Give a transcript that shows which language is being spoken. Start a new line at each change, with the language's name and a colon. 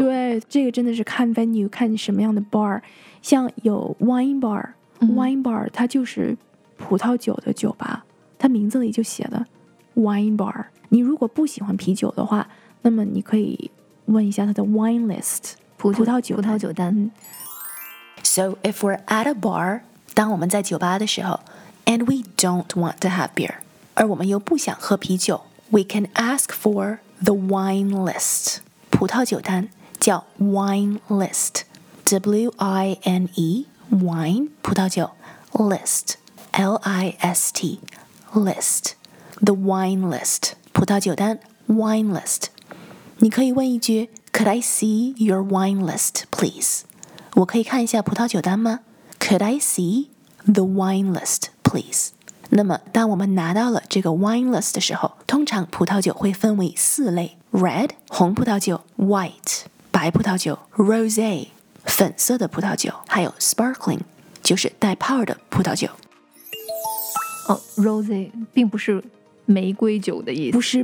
Chinese: 对，这个真的是看 venue， 看什么样的 bar。像有 wine bar，wine bar 它就是葡萄酒的酒吧，它名字里就写的 wine bar。你如果不喜欢啤酒的话，那么你可以问一下它的 wine list，葡萄酒单。
English: So if we're at a bar，
Chinese: 当我们在酒吧的时候
English: ，and we don't want to have beer，
Chinese: 而我们又不想喝啤酒。
English: We can ask for the wine list.
Chinese: 葡萄酒单叫 wine list.
English: W-I-N-E, wine, 葡萄酒 list. L-I-S-T, list. The wine list.
Chinese: 葡萄酒单 wine list. 你可以问一句
English: Could I see your wine list, please?
Chinese: 我可以看一下葡萄酒单吗？
English: Could I see the wine list, please?
Chinese: 那么当我们拿到了这个 wine list 的时候，通常葡萄酒会分为四类， red 红葡萄酒， white 白葡萄酒， rosé 粉色的葡萄酒，还有 sparkling 就是带泡的葡萄酒。哦， rosé 并不是玫瑰酒的意思。